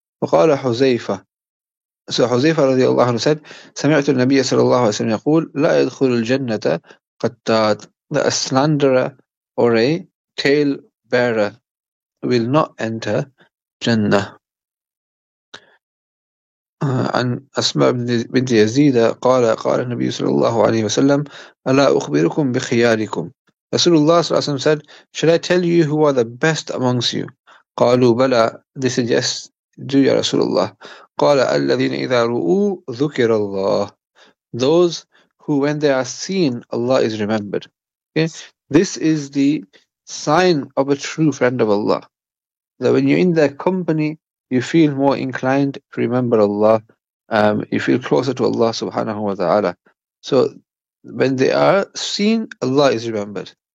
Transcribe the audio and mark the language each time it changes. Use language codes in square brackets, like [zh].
[ar] وَقَالَ حُزَيْفَ [en] So حُزَيْفَ radiallahu anhu said, [ar] سَمِعْتُ النَّبِيَّ صَلَى اللَّهُ عَلَيْهِ وَسَلَّمَ يَقُولُ لَا يَدْخُلُ الْجَنَّةَ قَتَّاتٌ [en] That a slanderer or a tale bearer will not enter Jannah. [ar] عن أسماء بنت يزيد قال النبي صلى الله عليه وسلم ألا أخبركم بخياركم رسول الله صلى الله عليه وسلم [en] said should I tell you who are the best amongst you [ar] قالوا بلى [en] they said yes do [ar] يا رسول الله قال الذين إذا رؤوا ذكر الله [en] those who when they are seen Allah is remembered. Okay? This is the sign of a true friend of Allah, that when you're in their company you feel more inclined to remember Allah. You feel closer to Allah subhanahu wa ta'ala. So when they are seen, Allah is remembered.